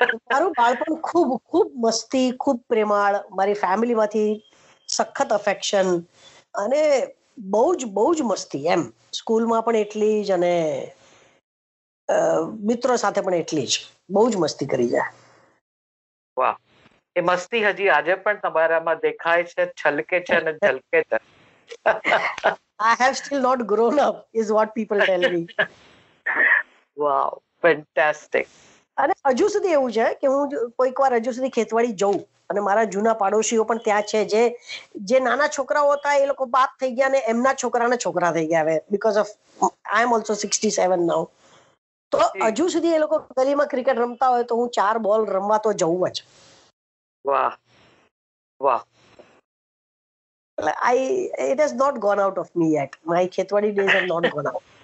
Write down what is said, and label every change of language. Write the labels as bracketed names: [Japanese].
[Gujarati] મારું બાળપણ ખૂબ ખૂબ મસ્તી, ખૂબ પ્રેમાળ, મારી ફેમિલીમાંથી સખત અફેક્શન અને બહુ જ બહુ જ મસ્તી, એમ સ્કૂલમાં પણ એટલી જ અને મિત્રો સાથે પણ એટલી જ, બહુ જ મસ્તી કરી જાય. વાહ, એ મસ્તી હજી આજે પણ તમારામાં દેખાય છે, છલકે છે અને ઝલકે છે. [English] I have still not grown up is what people tell me. Wow, fantastic. [Gujarati] અને હજુ સુધી એવું છે કે હું કોઈક વાર હજુ સુધી ખેતવાડી જઉં અને મારા જૂના પાડોશીઓ પણ ત્યાં છે, જે જે નાના છોકરાઓ હતા એ લોકો બાપ થઈ ગયા અને એમના છોકરાને છોકરા થઈ ગયા હવે, [English] Because of I am also 67 now. [Gujarati] તો હજુ સુધી એ લોકો ગલીમાં ક્રિકેટ રમતા હોય તો હું ચાર બોલ રમવા તો જઉં જ. વાહ વાહ, [English] I it has not gone out of me yet. My khetwadi days have not gone out.